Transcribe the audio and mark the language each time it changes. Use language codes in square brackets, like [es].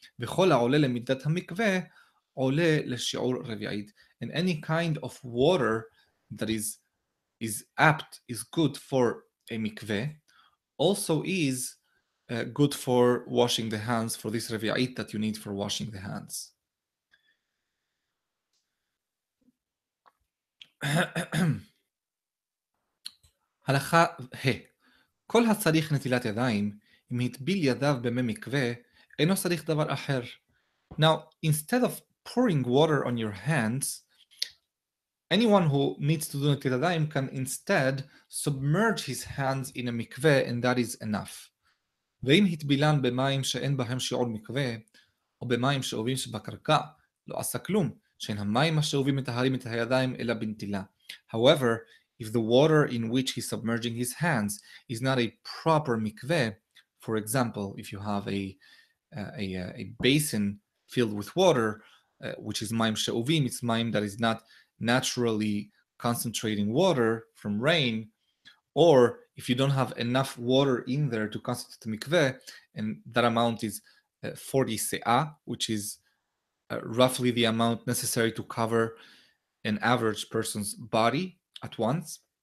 [he] וכל העולה למידת המקווה, עולה לשיעור רביעית. [en] And any kind of water that is apt, is good for a mikveh, also is good for washing the hands, for this revi'it that you need for washing the hands. [he] הלכה ה. כל הצריך נטילת ידיים, אם התביל ידיו במי מקווה, אינו צריך דבר אחר. [en] Now, instead of pouring water on your hands, anyone who needs to do נטילת ידיים can instead submerge his hands in a mikve, and that is enough. [he] ואם התבילן במים שאין בהם שיעור מקווה, או במים שאובים שבקרקע, לא עשה כלום, שאין המים השאובים מתהרים את הידיים אלא בנטילה. [en] However, if the water in which he's submerging his hands is not a proper mikveh, for example, if you have a basin filled with water, which is maim she'uvim, it's maim that is not naturally concentrating water from rain, or if you don't have enough water in there to constitute the mikveh, and that amount is 40 se'ah, which is roughly the amount necessary to cover an average person's body at once.